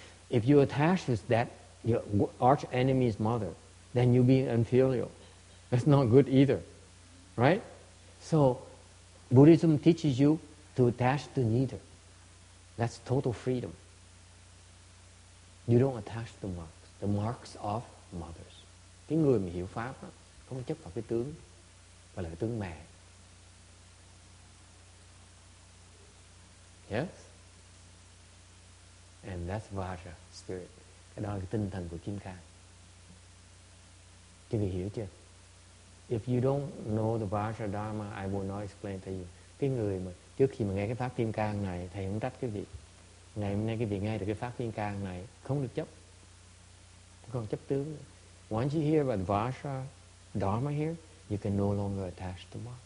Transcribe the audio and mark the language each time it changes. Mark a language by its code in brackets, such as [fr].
[en] If you attach with that your arch enemy's mother, then you're being unfilial. That's not good either, right? So Buddhism teaches you to attach to neither. That's total freedom. You don't attach to marks, the marks of mothers. [vi] Cái người mà hiểu pháp đó, không chấp vào cái tướng mà là cái tướng mẹ. [en] Yes? And that's Vajra spirit. [vi] Cái đó là cái tinh thần của Kim Khang. Chị vị hiểu chưa? [en] If you don't know the Vajra Dharma, I will not explain to you. [vi] Cái người mà trước khi mà nghe cái pháp Kim Khang này, thầy không trách cái vị. Ngày hôm nay cái vị nghe được cái pháp Kim Khang này, không được chấp. Còn chấp tướng nữa. [en] Once you hear about Vajra Dharma here, you can no longer attach to marks.